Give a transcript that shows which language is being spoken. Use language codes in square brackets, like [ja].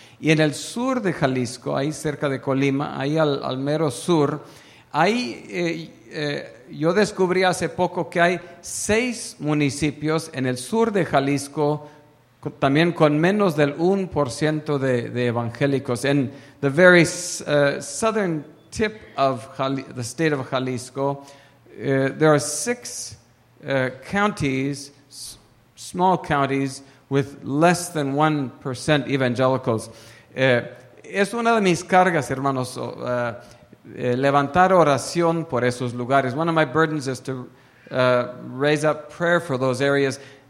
[es] Y en el sur de Jalisco, ahí cerca de Colima, ahí al mero sur, ahí yo descubrí hace poco que hay 6 municipios en el sur de Jalisco también con menos del 1% de evangélicos. [en] In the very southern tip of the state of Jalisco, there are 6 counties, small counties, with less than 1% evangelicals. [es] Es una de mis cargas, hermanos, levantar oración por esos lugares. [en] One of my burdens is to raise up prayer for those areas.